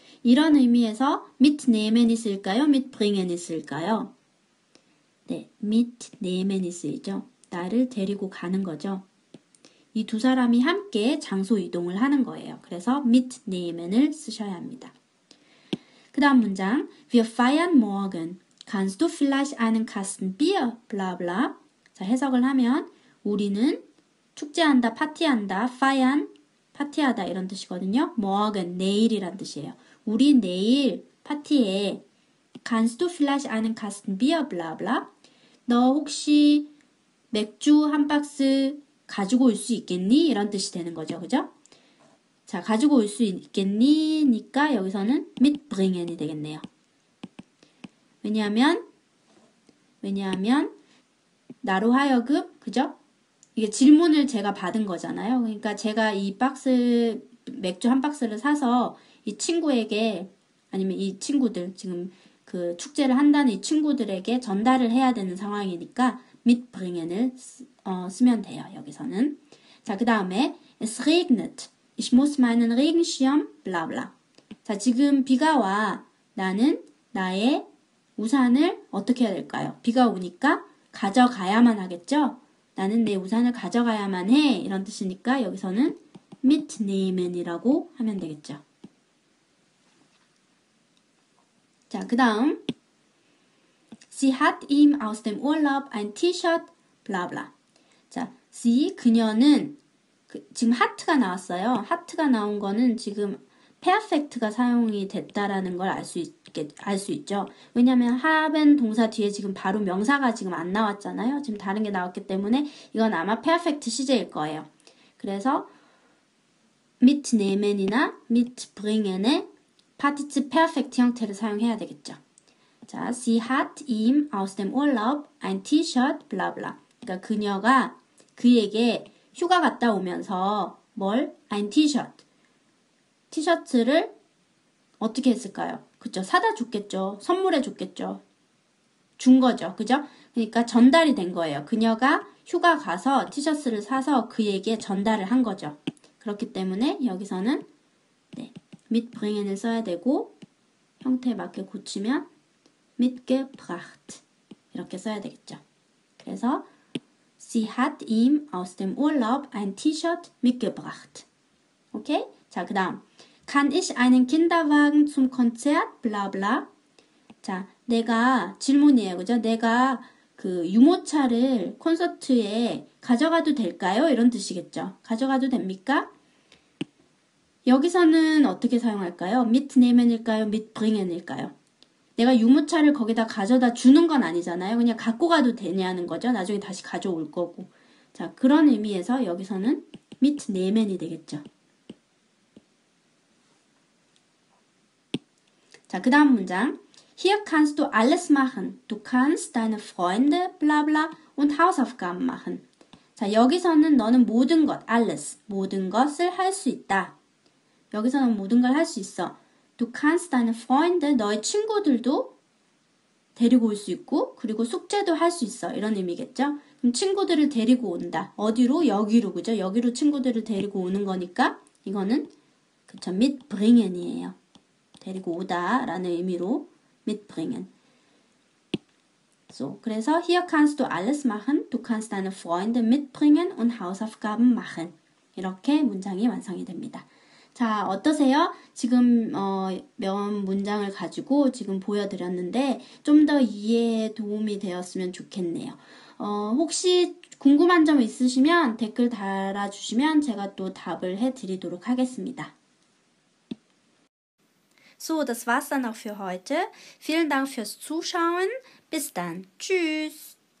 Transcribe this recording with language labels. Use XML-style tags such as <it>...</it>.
<ko>이런 의미에서 mitnehmen이 쓸까요? mitbringen이 쓸까요? 네, mitnehmen이 쓰이죠. 나를 데리고 가는 거죠. 이 두 사람이 함께 장소 이동을 하는 거예요. 그래서 mitnehmen을 쓰셔야 합니다. 그 다음 문장,</ko> <de>Wir feiern morgen. Kannst du vielleicht einen Kasten Bier? Bla bla.</de> <ko>자, 해석을 하면 우리는 축제한다, 파티한다, feiern, 파티하다 이런 뜻이거든요. morgen, 내일이란 뜻이에요. 우리 내일 파티에</ko> <de>Kannst du vielleicht einen Kasten Bier? Bla bla.</de> <ko>너 혹시 맥주 한 박스 가지고 올 수 있겠니? 이런 뜻이 되는 거죠. 그죠? 자, 가지고 올 수 있겠니? 니까 여기서는 mitbringen이 되겠네요. 왜냐하면 나로 하여금, 그죠? 이게 질문을 제가 받은 거잖아요. 그러니까 제가 이 박스, 맥주 한 박스를 사서 이 친구에게, 아니면 이 친구들, 지금 그 축제를 한다는 이 친구들에게 전달을 해야 되는 상황이니까 mitbringen을 쓰면 돼요, 여기서는. 자, 그 다음에</ko> <de>Es regnet. Ich muss meinen Regenschirm, bla bla.</de> <ko>자, 지금 비가 와. 나는 나의 우산을 어떻게 해야 될까요? 비가 오니까 가져가야만 하겠죠? 나는 내 우산을 가져가야만 해. 이런 뜻이니까 여기서는 mitnehmen이라고 하면 되겠죠. 자, 그 다음</ko> <de>Sie hat ihm aus dem Urlaub ein T-shirt, bla bla.</de> <ko>자, sie, 그녀는 지금 하트가 나왔어요. 하트가 나온 거는 지금 perfect가 사용이 됐다라는 걸 알 수 있죠. 왜냐하면 haben 동사 뒤에 지금 바로 명사가 지금 안 나왔잖아요. 지금 다른 게 나왔기 때문에 이건 아마 perfect 시제일 거예요. 그래서 mitnehmen이나 mitbringen의 Partizip Perfect 형태를 사용해야 되겠죠.</ko> <de>자, sie hat ihm aus dem Urlaub ein T-shirt, bla bla.</de> <ko>그러니까 그녀가 그에게 휴가 갔다 오면서 뭘?</ko> <de>ein T-shirt.</de> <ko>티셔츠를 어떻게 했을까요? 그쵸, 사다 줬겠죠. 선물해 줬겠죠. 준 거죠, 그죠? 그러니까 전달이 된 거예요. 그녀가 휴가 가서 티셔츠를 사서 그에게 전달을 한 거죠. 그렇기 때문에 여기서는 mitbringen을 써야 되고 형태에 맞게 고치면 mitgebracht 이렇게 써야 되겠죠. 그래서</ko> <de>sie hat ihm aus dem Urlaub ein T-shirt mitgebracht.</de> <ko>오케이? 자, 그 다음</ko> <de>Kann ich einen Kinderwagen zum Konzert?</de> <ko>bla bla. 자, 내가 질문이에요. 그죠? 내가 그 유모차를 콘서트에 가져가도 될까요? 이런 뜻이겠죠. 가져가도 됩니까? 여기서는 어떻게 사용할까요? mitnehmen일까요? mitbringen일까요? 내가 유모차를 거기다 가져다 주는 건 아니잖아요. 그냥 갖고 가도 되냐는 거죠. 나중에 다시 가져올 거고. 자, 그런 의미에서 여기서는 mit nehmen이 되겠죠. 자, 그 다음 문장.</ko> <de>Hier kannst du alles machen. Du kannst deine Freunde, bla bla und Hausaufgaben machen.</de> <ko>자, 여기서는 너는 모든 것, alles, 모든 것을 할수 있다. 여기서는 모든 걸할수 있어.</ko> <de>Du kannst deine Freunde,</de> <ko>너의 친구들도 데리고 올수 있고, 그리고 숙제도 할수 있어. 이런 의미겠죠? 그럼 친구들을 데리고 온다. 어디로? 여기로, 그죠? 여기로 친구들을 데리고 오는 거니까, 이거는, 그쵸, mitbringen이에요. 데리고 오다라는 의미로 mitbringen.</ko> <de>So,</de> <ko>그래서</ko> <de>hier kannst du alles machen, du kannst deine Freunde mitbringen und Hausaufgaben machen.</de> <ko>이렇게 문장이 완성이 됩니다. 자, 어떠세요? 지금 몇 문장을 가지고 지금 보여드렸는데 좀더 이해에 도움이 되었으면 좋겠네요. 혹시 궁금한 점 있으시면 댓글 달아주시면 제가 또 답을 해드리도록 하겠습니다.</ko> <de>So, das war's dann auch für heute. Vielen Dank fürs Zuschauen. Bis dann. Tschüss.</de>